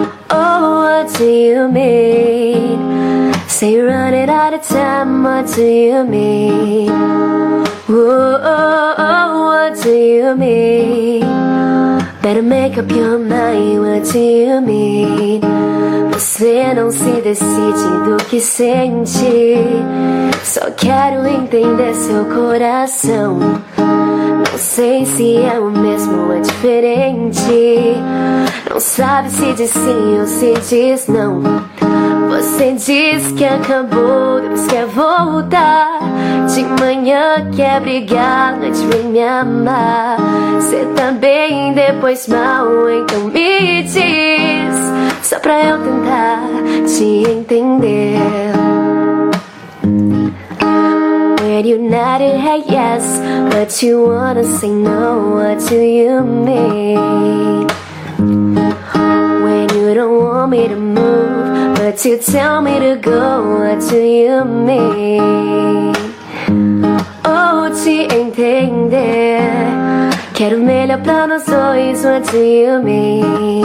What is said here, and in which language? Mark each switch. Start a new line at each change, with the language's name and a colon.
English: Oh, what do you mean? Say you're running out of time, what do you mean? Whoa, oh, oh, what do you mean? Better make up your mind, what do you mean?
Portuguese: Você não se decide do que sente. Só quero entender seu coração. Não sei se é o mesmo ou é diferente. Não sabe se diz sim ou se diz não. Você diz que acabou, depois quer voltar. De manhã quer brigar, noite vem me amar. Cê tá bem, depois mal, então me diz. Só pra eu tentar te entender.
English: When you nod your head yes, but you wanna say no, what do you mean? When you don't want me to move, but you tell me to go, what do you mean?
Portuguese: Oh, te entender, quero melhor pra nós dois,
English: what do you mean?